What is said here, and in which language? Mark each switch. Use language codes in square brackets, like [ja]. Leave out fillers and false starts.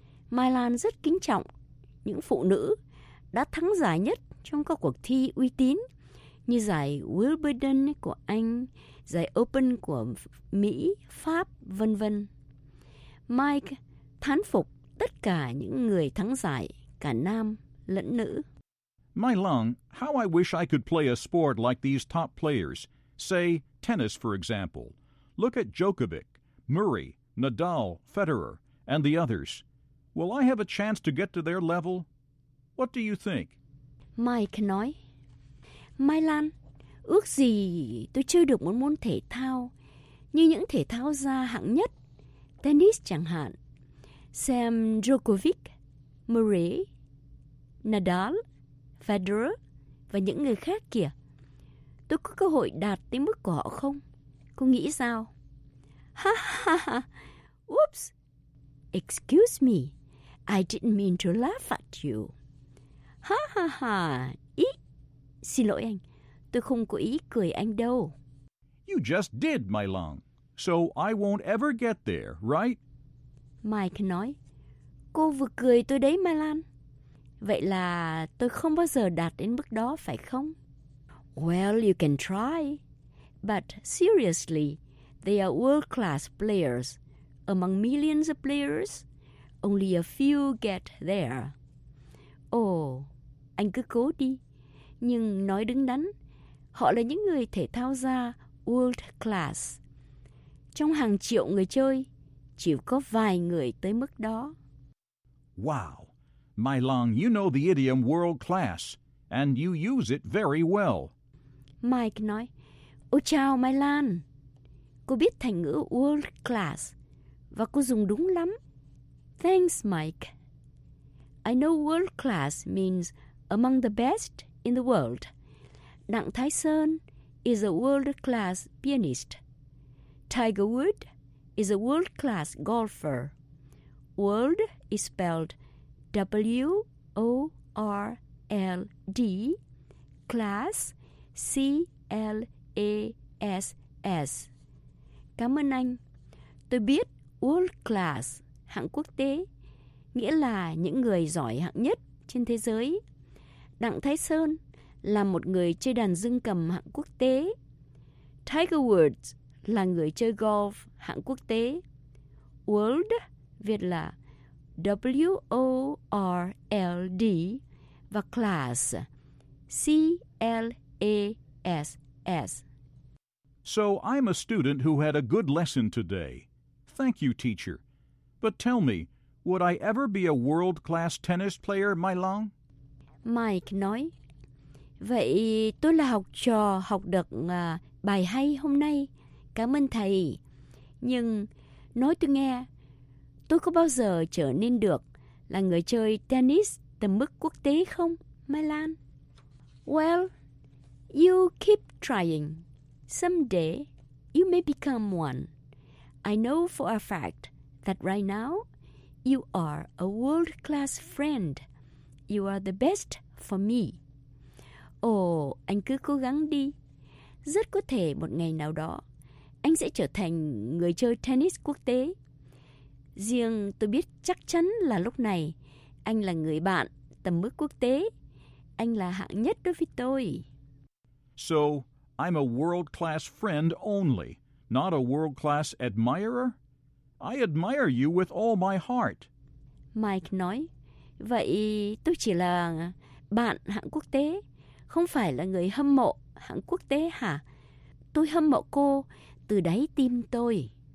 [vi] Mai Lan rất kính trọng những phụ nữ đã thắng giải nhất trong các cuộc thi uy tín như giải Wimbledon của Anh, giải Open của Mỹ, Pháp, vân vân. Mike thán phục tất cả những người thắng giải, cả nam lẫn nữ. [en] Mai Lan, how I wish I could play a sport like these top players. Say, tennis, for example. Look at Djokovic, Murray, Nadal, Federer, and the others. Will I have a chance to get to their level? What do you think? [vi] Mike nói, Mai Lan, ước gì tôi chơi được một môn thể thao như những thể thao gia hạng nhất, tennis chẳng hạn. Xem Djokovic, Murray, Nadal, Federer và những người khác kìa. Tôi có cơ hội đạt tới mức của họ không? Cô nghĩ sao? Ha ha ha! Oops! [en] Excuse me, I didn't mean to laugh at you. Ha ha ha! Ý! [vi] Xin lỗi anh, tôi không có ý cười anh đâu. [en] You just did, Mai Lan. So I won't ever get there, right? [vi] Mike nói, cô vừa cười tôi đấy, Mai Lan. Vậy là tôi không bao giờ đạt đến mức đó, phải không? [en] Well, you can try. But seriously, they are world-class players. Among millions of players, only a few get there. [vi] Oh, anh cứ cố đi. Nhưng nói đứng đắn, họ là những người thể thao gia world-class. Trong hàng triệu người chơi, chỉ có vài người tới mức đó. Wow! [en] Mai Lan, you know the idiom world-class, and you use it very well. [vi] Mike nói, ô chào Mai Lan, cô biết thành ngữ world-class, và cô dùng đúng lắm. [en] Thanks, Mike. I know world-class means among the best in the world. Đặng Thái Sơn is a world-class pianist. Tiger Woods is a world-class golfer. World is spelled W-O-R-L-D, class, C-L-A-S-S. [vi] Cảm ơn anh. Tôi biết world class, hạng quốc tế, nghĩa là những người giỏi hạng nhất trên thế giới. Đặng Thái Sơn là một người chơi đàn dương cầm hạng quốc tế. Tiger Woods là người chơi golf hạng quốc tế. World, Việt là W-O-R-L-D và class, C-L-A-S-S. [en] So I'm a student who had a good lesson today. Thank you, teacher. But tell me, would I ever be a world-class tennis player, Mai Lan? [vi] Mike nói, vậy tôi là học trò học được bài hay hôm nay. Cảm ơn thầy. Nhưng nói tôi nghe, tôi có bao giờ trở nên được là người chơi tennis tầm mức quốc tế không, Mai Lan? [en] Well, you keep trying. Someday, you may become one. I know for a fact that right now, you are a world-class friend. You are the best for me. [vi] Oh, anh cứ cố gắng đi. Rất có thể một ngày nào đó, anh sẽ trở thành người chơi tennis quốc tế. Riêng tôi biết chắc chắn là lúc này, anh là người bạn tầm mức quốc tế. Anh là hạng nhất đối với tôi. [en] So, I'm a world-class friend only, not a world-class admirer? I admire you with all my heart. [vi] Mike nói, vậy tôi chỉ là bạn hạng quốc tế, không phải là người hâm mộ hạng quốc tế hả? Tôi hâm mộ cô từ đáy tim tôi.